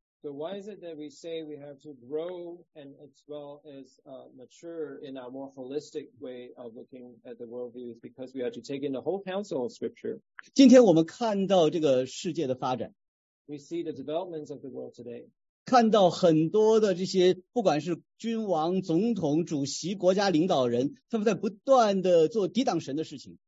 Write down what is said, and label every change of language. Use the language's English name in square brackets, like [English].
[English] so why is it that we say we have to grow and as well as mature in our more holistic way of looking at the worldview is because we have to take in the whole counsel of scripture. [Chinese] 今天我们看到这个世界的发展。 [English] We see the developments of the world today. [Chinese] 看到很多的这些不管是君王、总统、主席、国家领导人他们在不断的做抵挡神的事情。